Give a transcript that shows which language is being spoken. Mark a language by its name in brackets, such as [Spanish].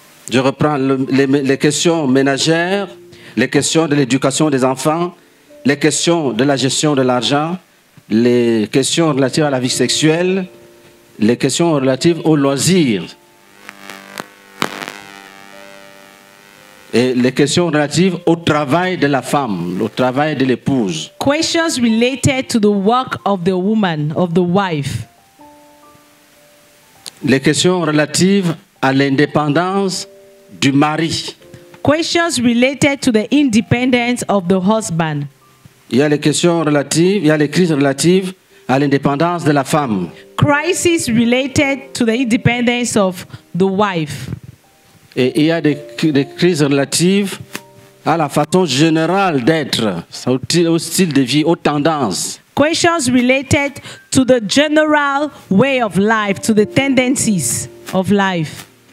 [French] Je reprends les questions ménagères, les questions de l'éducation des enfants, les questions de la gestion de l'argent, les questions relatives à la vie sexuelle, les questions relatives aux loisirs et les questions relatives au travail de la femme, au travail de l'épouse. [English] Questions related to the work of the woman, of the wife. [French] Les questions relatives à l'indépendance du mari. [English] Questions related to the independence of the husband. [French] Il y a les questions relatives, il y a les crises relatives à l'indépendance de la femme. [English] Crises related to the independence of the wife. [French] Et il y a des crises relatives à la façon générale d'être, au style de vie, aux tendances. [English] Questions related to the general way of life, to the tendencies of life.